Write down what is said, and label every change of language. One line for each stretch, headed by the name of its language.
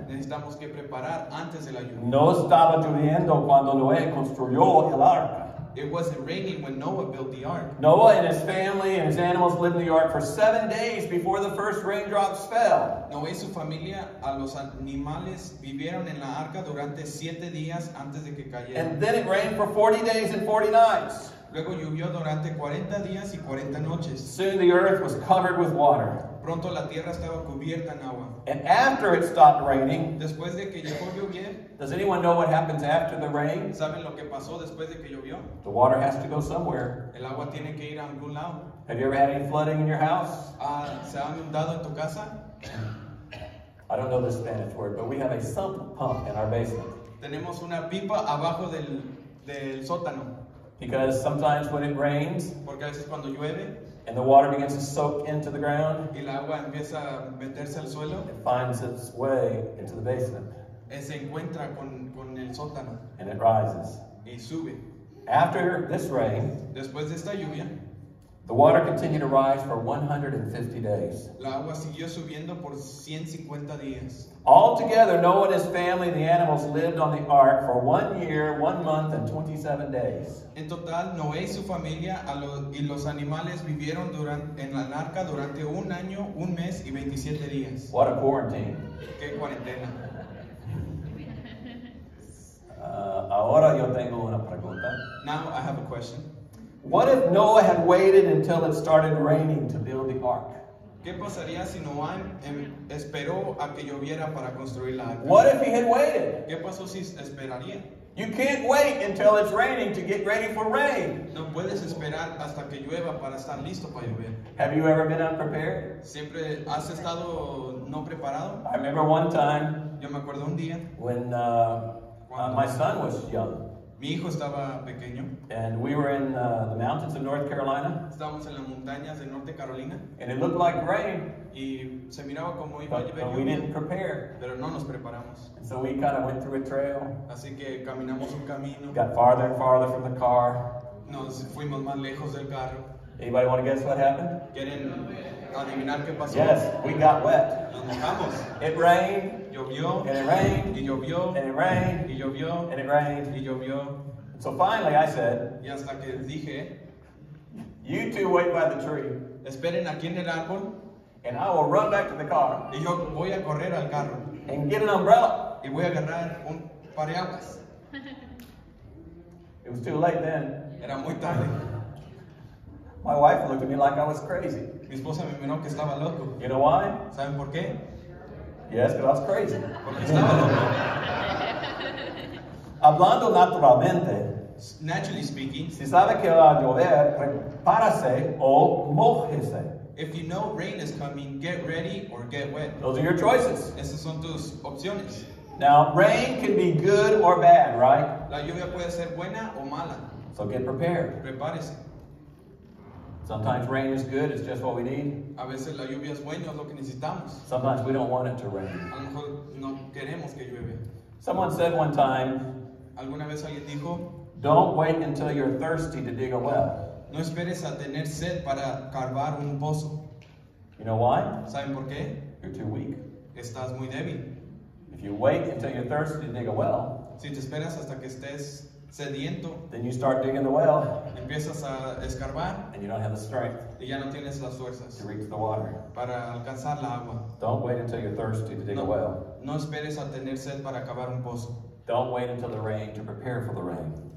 Spanish: Necesitamos que preparar antes de la lluvia. No estaba lloviendo cuando Noé construyó el arca.
English: It wasn't raining when Noah built the ark. Noah and his family and his animals lived in the ark for 7 days before the first raindrops fell.
Spanish: Noé y su familia, a los animales, vivieron en la arca durante 7 días antes de que cayera.
English: And then it rained for 40 days and 40 nights.
Spanish: Luego llovió durante 40 días y 40 noches.
English: Soon the earth was covered with water.
Spanish: Pronto la tierra estaba cubierta en agua.
English: And after it stopped raining,
Spanish: después de que llegó lluvia,
English: does anyone know what happens after the rain?
Spanish: ¿Saben lo que pasó después de que llovió?
English: The water has to go somewhere.
Spanish: El agua tiene que ir a algún lado.
English: Have you ever had any flooding in your house?
Spanish: ¿Se ha inundado en tu casa?
English: I don't know the Spanish word, but we have a sump pump in our basement.
Spanish: Tenemos una pipa abajo del sótano.
English: Because sometimes when it rains,
Spanish: porque a veces cuando llueve,
English: and the water begins to soak into the ground,
Spanish: y el agua empieza a meterse al suelo,
English: it finds its way into the basement.
Spanish: Se encuentra con el sótano,
English: and it rises.
Spanish: Y sube.
English: After this rain,
Spanish: después de esta lluvia,
English: the water continued to rise for 150 days.
Spanish: La agua siguió subiendo por 150 días.
English: Altogether, Noah and his family and the animals lived on the ark for 1 year, 1 month, and 27 days.
Spanish: En total, Noé y su familia y los animales vivieron en la arca durante un año, un mes, y 27 días.
English: What a quarantine.
Spanish: Qué cuarentena. Ahora yo tengo una pregunta.
English: Now I have a question. What if Noah had waited until it started raining to build the ark?
Spanish: ¿Qué pasaría si Noah esperó a que lloviera para construir la arca?
English: What if he had waited?
Spanish: ¿Qué pasó si esperaría?
English: You can't wait until it's raining to get ready for rain.
Spanish: No puedes esperar hasta que llueva para estar listo para llover.
English: Have you ever been unprepared?
Spanish: ¿Siempre has estado no preparado?
English: I remember one time.
Spanish: Yo me acuerdo un día.
English: When my son was young.
Spanish: Mi hijo estaba pequeño.
English: And we were in the mountains of North Carolina.
Spanish: Estábamos en las montañas de Norte Carolina.
English: And it looked like rain.
Spanish: Y se miraba como iba a llover.
English: But we didn't prepare.
Spanish: Pero no nos preparamos.
English: And so we kind of went through a trail.
Spanish: Así que caminamos un camino.
English: Got farther and farther from the car.
Spanish: Nos fuimos más lejos del carro.
English: Anybody want to guess what happened?
Spanish: ¿Quieren adivinar qué pasó?
English: Yes, we got wet.
Spanish: Nos mojamos.
English: It rained.
Spanish: Llovió,
English: and it rained,
Spanish: y llovió,
English: and it rained,
Spanish: y llovió,
English: and it rained,
Spanish: y llovió.
English: So finally I said,
Spanish: y hasta que dije,
English: you two wait by the tree,
Spanish: esperen aquí en el árbol,
English: and I will run back to the car,
Spanish: y yo voy a correr al carro,
English: and get an umbrella,
Spanish: y voy a agarrar un paraguas.
English: It was too late then.
Spanish: Era muy tarde.
English: My wife looked at me like I was crazy.
Spanish: Mi esposa me miró que estaba loco.
English: You know why?
Spanish: ¿Saben por qué?
English: Yes, but I was crazy.
Spanish: Hablando naturalmente,
English: naturally speaking,
Spanish: si sabe que va a llover, prepárese o mojese.
English: If you know rain is coming, get ready or get wet. Those are your choices.
Spanish: Esas son tus opciones.
English: Now, rain can be good or bad, right?
Spanish: La lluvia puede ser buena o mala.
English: So get prepared.
Spanish: Prepárese.
English: Sometimes rain is good, it's just what we need.
Spanish: A veces la lluvia es buena, es lo que necesitamos.
English: Sometimes we don't want it to rain.
Spanish: A lo mejor no queremos que llueve.
English: Someone said one time,
Spanish: ¿alguna vez alguien dijo?
English: Don't wait until you're thirsty to dig a well.
Spanish: No esperes a tener sed para cavar un pozo.
English: You know why?
Spanish: ¿Saben por qué?
English: You're too weak.
Spanish: Estás muy débil.
English: If you wait until you're thirsty to dig a well,
Spanish: si te esperas hasta que estés sediento,
English: then you start digging the well.
Spanish: Empiezas a escarbar,
English: and you don't have the strength.
Spanish: Y ya no tienes las fuerzas
English: to reach the water.
Spanish: Para alcanzar la agua.
English: Don't wait until you're thirsty to dig a well.
Spanish: No esperes a tener sed para cavar un pozo.
English: Don't wait until the rain to prepare for the rain.